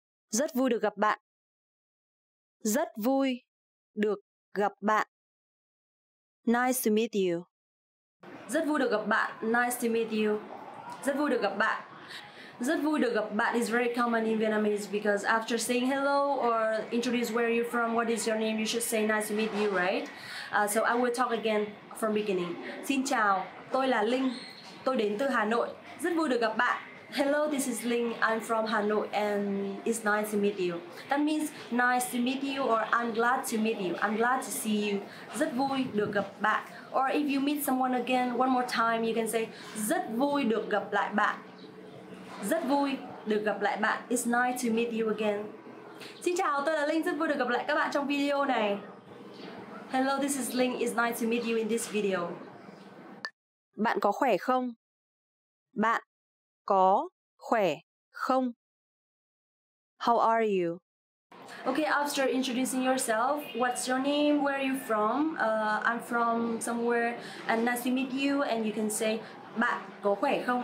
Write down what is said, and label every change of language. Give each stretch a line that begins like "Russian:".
Vietnamese: Rất vui được gặp bạn. Rất vui được gặp bạn.
English: Nice to meet you.
Vietnamese: Rất vui được gặp bạn.
English: Nice to meet you.
Vietnamese: Rất vui được gặp bạn. Rất vui được gặp bạn
English: is very common in Vietnamese because after saying hello or introduce where you're from, what is your name, you should say nice to meet you, right? So I will talk again from beginning.
Vietnamese: Xin chào, tôi là Linh. Tôi đến từ Hà Nội. Rất vui được gặp bạn.
English: Hello, this is Linh. I'm from Hanoi and it's nice to meet you. That means nice to meet you or I'm glad to meet you. I'm glad to see you.
Vietnamese: Rất vui được gặp bạn.
English: Or if you meet someone again one more time, you can say
Vietnamese: rất vui được gặp lại bạn. Rất vui được gặp lại bạn.
English: It's nice to meet you again.
Vietnamese: Xin chào, tôi là Linh. Rất vui được gặp lại các bạn trong video này.
English: Hello, this is Linh. It's nice to meet you in this video.
Vietnamese: Bạn có khỏe không? Bạn có khỏe không?
English: How are you? Okay, after introducing yourself, what's your name? Where are you from? I'm from somewhere and nice to meet you. And you can say,
Vietnamese: bạn có khỏe không?